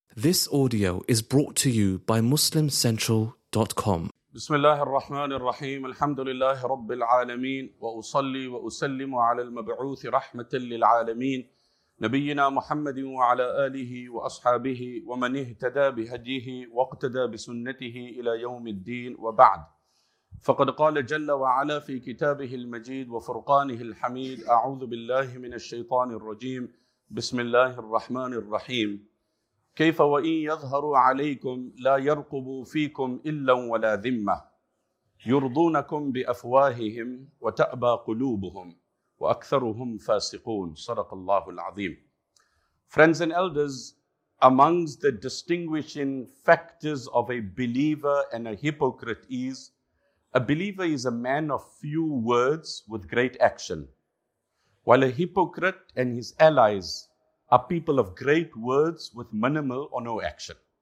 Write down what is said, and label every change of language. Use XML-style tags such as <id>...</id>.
<en>This audio is brought to you by MuslimCentral.com.</en> <ar>بسم الله الرحمن الرحيم الحمد لله رب العالمين وأصلي وأسلم على المبعوث رحمة للعالمين نبينا محمد وعلى آله وأصحابه ومن اهتدى بهديه واقتدى بسنته إلى يوم الدين وبعد فقد قال جل وعلا في كتابه المجيد وفرقانه الحميد أعوذ بالله من الشيطان الرجيم بسم الله الرحمن الرحيم كيف وإن يظهروا عليكم لا يرقبوا فيكم إلا ولا ذمة يرضونكم بأفواههم وتأبى قلوبهم وأكثرهم فاسقون صدق الله العظيم.</ar> <en>Friends and elders, amongst the distinguishing factors of a believer and a hypocrite is, a believer is a man of few words with great action, while a hypocrite and his allies are people of great words with minimal or no action.</en>